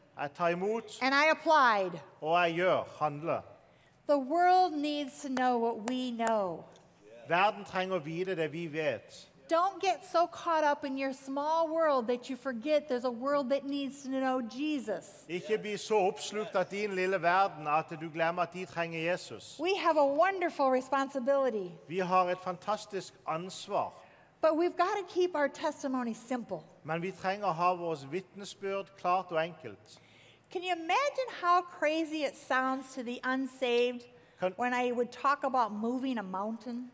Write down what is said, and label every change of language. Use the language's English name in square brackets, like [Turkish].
[Norwegian] Jeg tar imot. [English] And I applied. [Norwegian] Og jeg gjør, handler. [English] The world needs to know what we know. [Norwegian] Verden trenger vite det vi vet. [English] Don't get so caught up in your small world that you forget there's a world that needs to know Jesus. [Norwegian] Ikke bli så oppslukt av din lille verden at du glemmer at de trenger Jesus. [English] We have a wonderful responsibility. [Norwegian] Vi har et fantastisk ansvar. [English] But we've got to keep our testimony simple. [Norwegian] Men vi trenger å ha vårt vitnesbyrd klart og enkelt. [English] Can you imagine how crazy it sounds to the unsaved when I would talk about moving a mountain?